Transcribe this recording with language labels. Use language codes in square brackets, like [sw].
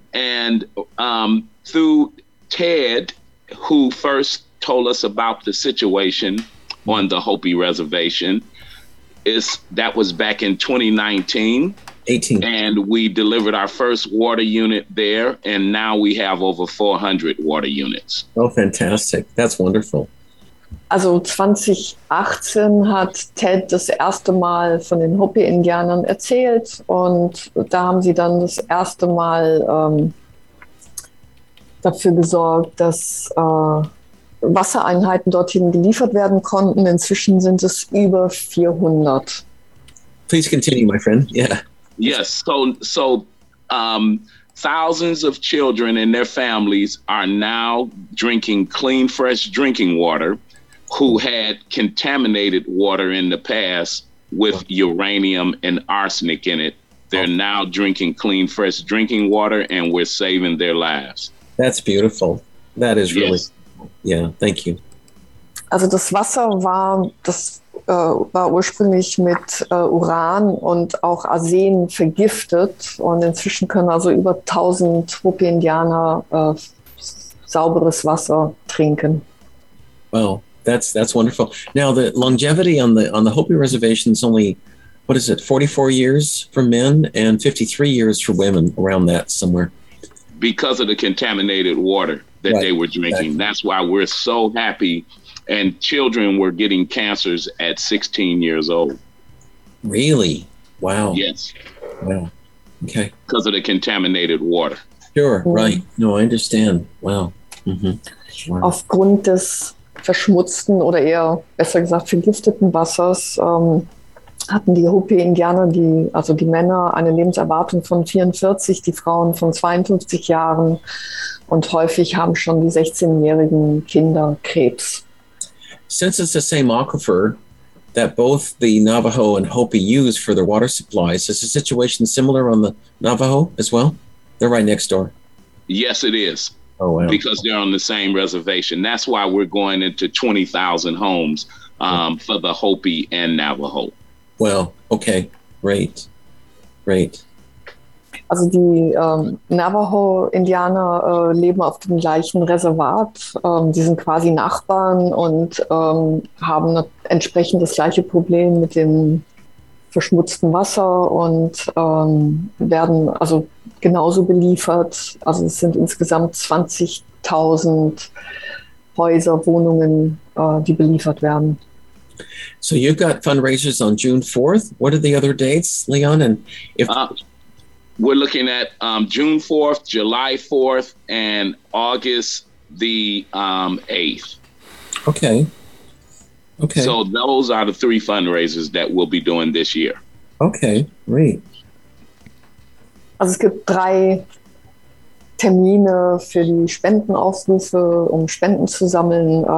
[en] And through Ted, who first told us about the situation on the Hopi Reservation. That was back in 2019. 18. And we delivered our first water unit there, and now we have over 400 water units. Oh, fantastic. That's wonderful. [de] Also 2018 hat Ted das erste Mal von den Hopi-Indianern erzählt, und da haben sie dann das erste Mal dafür gesorgt, dass Wassereinheiten dorthin geliefert werden konnten. Inzwischen sind es über 400. [en] Please continue, my friend. Yeah. Yes. So, thousands of children and their families are now drinking clean, fresh drinking water who had contaminated water in the past with uranium and arsenic in it. They're now drinking clean, fresh drinking water, and we're saving their lives. That's beautiful. That is really. Yes. Ja, yeah, thank you. [de] Also das Wasser war ursprünglich mit Uran und auch Arsen vergiftet, und inzwischen können also über 1000 Hopi-Indianer sauberes Wasser trinken. [en] Wow, that's wonderful. Now the longevity on the Hopi Reservation is only, what is it, 44 years for men and 53 years for women, around that somewhere. Because of the contaminated water that right. They were drinking. Right. That's why we're so happy. And children were getting cancers at 16 years old. Really? Wow. Yes. Wow. Okay. Because of the contaminated water. Sure. Mm. Right. No, I understand. Wow. Mm-hmm. Wow. [de] Aufgrund des verschmutzten oder eher besser gesagt vergifteten Wassers hatten die Hopi-Indianer, also die Männer, eine Lebenserwartung von 44, die Frauen von 52 Jahren. Und häufig haben schon die 16-jährigen Kinder Krebs. [en] Since it's the same aquifer that both the Navajo and Hopi use for their water supplies, is the situation similar on the Navajo as well? They're right next door. Yes, it is. Oh, wow. Because they're on the same reservation. That's why we're going into 20,000 homes for the Hopi and Navajo. Well, okay, great, great. [de] Also die Navajo-Indianer leben auf dem gleichen Reservat. Die sind quasi Nachbarn und haben entsprechend das gleiche Problem mit dem verschmutzten Wasser und werden also genauso beliefert. Also es sind insgesamt 20.000 Häuser, Wohnungen, die beliefert werden. [en] So you've got fundraisers on June 4th. What are the other dates, Leon? And if we're looking at June 4th, July 4th, and August the 8th. Okay. Okay. So those are the three fundraisers that we'll be doing this year. Okay, great. [de] Also es gibt drei Termine für die Spendenaufrufe, um Spenden zu sammeln.